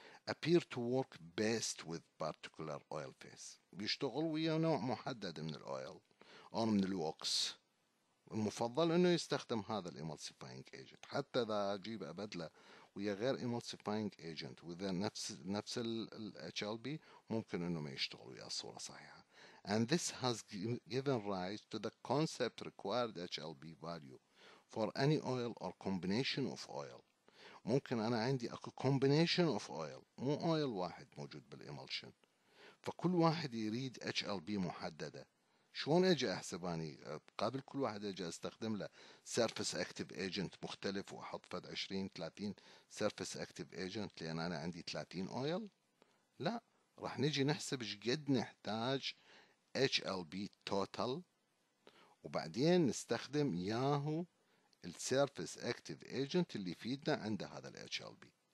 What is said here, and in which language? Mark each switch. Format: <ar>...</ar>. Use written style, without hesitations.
<en>appear to work best with particular oil phase.</en> <ar>بيشتغل ويا نوع محدد من الأويل أو من الوكس. المفضل إنه يستخدم هذا الإيمالسيفاينج إيجنت. حتى إذا أجيب أبدله ويا غير إيمالسيفاينج إيجنت وإذا نفس ال HLB ممكن إنه ما يشتغل ويا الصورة صحيحة.</ar> <en>And this has given rise to the concept required HLB value for any oil or combination of oil.</en> <ar>ممكن أنا عندي أكو</ar> <en>combination of oil،</en> <ar>مو oil واحد موجود بالإيمالشن، فكل واحد يريد HLB محددة. شون أجي أحسباني قابل كل واحد أجي أستخدم له surface active agent مختلف وأحط فد 20-30 surface active agent لأن أنا عندي 30 oil؟ لا، راح نجي نحسب شقد نحتاج HLB total وبعدين نستخدم ياهو الـ Surface Active Agent اللي يفيدنا عند هذا الـ HLB.</ar>